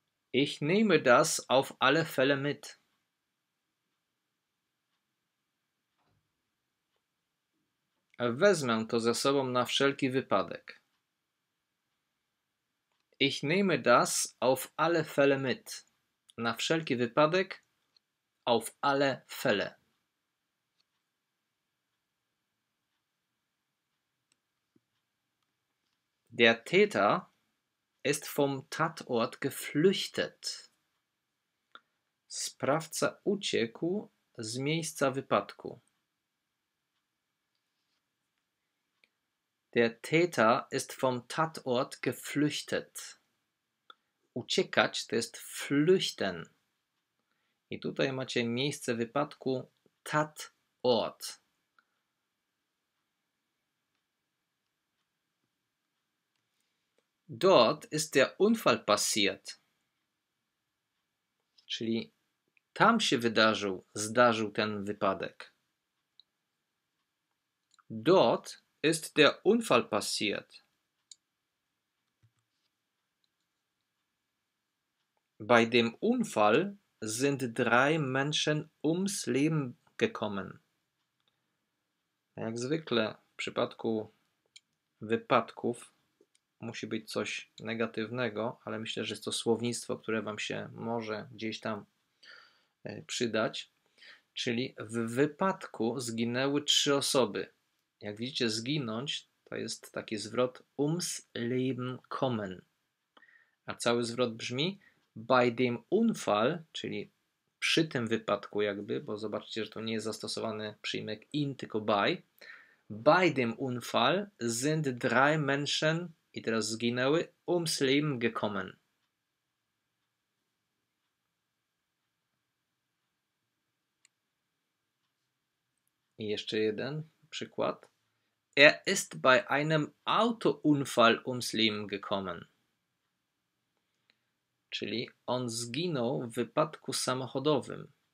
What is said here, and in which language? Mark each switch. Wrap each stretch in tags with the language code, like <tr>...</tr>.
<de>Ich nehme das auf alle Fälle mit.</de> <pl>Wezmę to ze sobą na wszelki wypadek.</pl> <de>Ich nehme das auf alle Fälle mit.</de> <pl>Na wszelki wypadek,</pl> <de>auf alle Fälle. Der Täter ist vom Tatort geflüchtet.</de> <pl>Sprawca uciekł z miejsca wypadku.</pl> <de>Der Täter ist vom Tatort geflüchtet.</de> <pl>Uciekać to jest flüchten. I tutaj macie miejsce wypadku Tatort.</pl> <de>Dort ist der Unfall passiert.</de> <pl>Czyli tam się zdarzył ten wypadek.</pl> <de>Dort ist der Unfall passiert. Bei dem Unfall sind drei Menschen ums Leben gekommen.</de> <pl>Jak zwykle w przypadku wypadków musi być coś negatywnego, ale myślę, że jest to słownictwo, które wam się może gdzieś tam przydać. Czyli w wypadku zginęły trzy osoby. Jak widzicie, zginąć to jest taki zwrot</pl> <de>ums Leben kommen.</de> <pl>A cały zwrot brzmi</pl> <de>bei dem Unfall,</de> <pl>czyli przy tym wypadku jakby, bo zobaczcie, że to nie jest zastosowany przyjmek in, tylko</pl> <de>bei dem Unfall sind drei Menschen,</de> <pl>i teraz zginęły,</pl> <de>ums Leben gekommen.</de> <pl>I jeszcze jeden przykład.</pl> <de>Er ist bei einem Autounfall ums Leben gekommen.</de> <pl>Czyli on zginął w wypadku samochodowym.</pl>